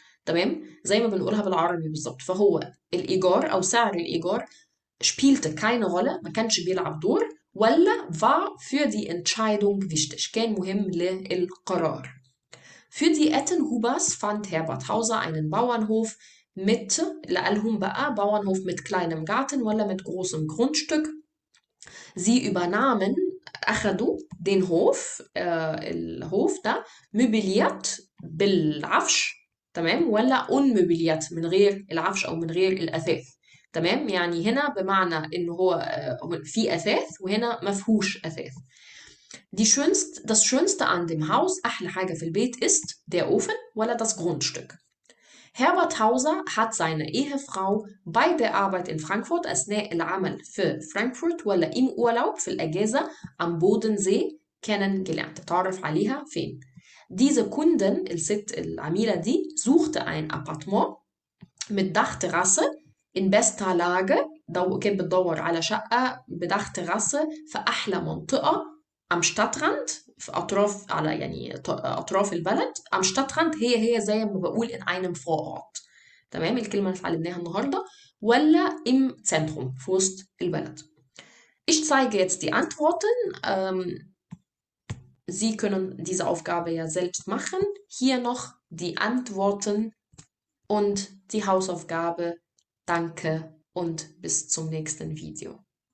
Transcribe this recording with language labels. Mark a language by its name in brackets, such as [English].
[Arabic] تمام؟ زي ما بنقولها بالعربي بالظبط. فهو الإيجار أو سعر الإيجار [German] spielt keine Rolle، [Arabic] ما كانش بيلعب دور، ولا [German] war für die Entscheidung wichtig، [Arabic] كان مهم للقرار. [German] Für die Ettenhubers fand Herbert Hauser einen Bauernhof mit، [Arabic] لقالهم بقى [German] Bauernhof mit kleinem Garten ولا mit großem Grundstück. Sie übernahmen [Arabic] أخذوا den Hof، الهوف ده مبليات بالعفش، تمام؟ ولا unmöbliert من غير العفش أو من غير الأثاث، تمام؟ يعني هنا بمعنى إن هو في أثاث وهنا مفهوش أثاث. [German] das schönste an dem Haus، [Arabic] أحلى حاجة في البيت، [German] ist der Ofen ولا das Grundstück. Herbert Hauser hat seine Ehefrau bei der Arbeit in Frankfurt [Arabic] أثناء العمل في فرانكفورت [German] ولا im Urlaub [Arabic] في الأجازة [German] am Bodensee kennengelernt. [Arabic] تعرف عليها فين؟ [German] Diese Kundin, العميلة دي, suchte ein Appartement mit Dachterrasse in bester Lage, [Arabic] كانت بتدور على شقة بدachterrasse في أحلى منطقة [German] am Stadtrand, [Arabic] في أطراف على يعني أطراف البلد. [German] am Stadtrand [Arabic] هي زي ما بقول [German] in einem Vorort, [Arabic] تمام, الكلمة اللي اتعلمناها النهاردة, ولا [German] im Zentrum, [Arabic] في وسط البلد. [German] Ich zeige jetzt die Antworten. Sie können diese Aufgabe ja selbst machen. Hier noch die Antworten und die Hausaufgabe. Danke und bis zum nächsten Video.